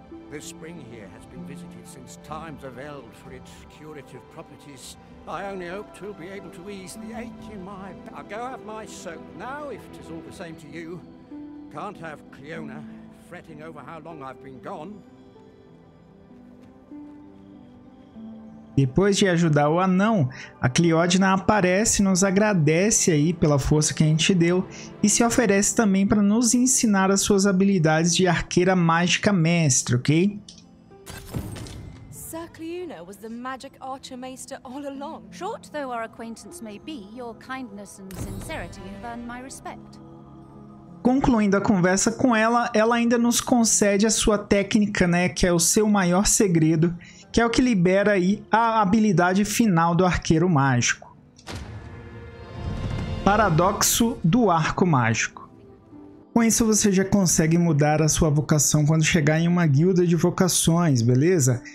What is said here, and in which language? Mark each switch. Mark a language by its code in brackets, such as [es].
[en] This spring here has been visited since times of eld for its curative properties. I only hope to be able to ease the ache in my... I'll go have my soak now, if it is all the same to you. Can't have Cleona fretting over how long I've been gone. [pt] Depois de ajudar o anão, a Cleodna aparece e nos agradece aí pela força que a gente deu e se oferece também para nos ensinar as suas habilidades de arqueira mágica mestre, ok? [en] Sir Cleona was the magic archer maester all along. Short though our acquaintance may be, your kindness and sincerity have earned my respect. [pt] Concluindo a conversa com ela, ela ainda nos concede a sua técnica, né, que é o seu maior segredo, que é o que libera aí a habilidade final do arqueiro mágico. Paradoxo do Arco Mágico. Com isso você já consegue mudar a sua vocação quando chegar em uma guilda de vocações, beleza?